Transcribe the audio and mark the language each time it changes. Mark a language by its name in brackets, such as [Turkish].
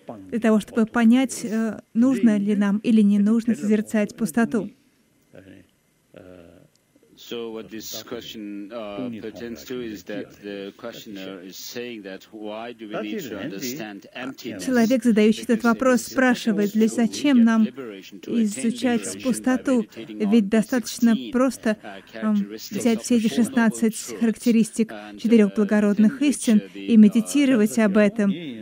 [Russian] Для того, чтобы понять, нужно ли нам или не нужно созерцать пустоту. [English] So what this question pertains to is that the questioner is saying that why do we need to understand emptiness? [Russian] Человек, задающий этот вопрос, спрашивает, для зачем нам изучать пустоту? Ведь достаточно просто взять все эти 16 характеристик четырех благородных истин и медитировать об этом.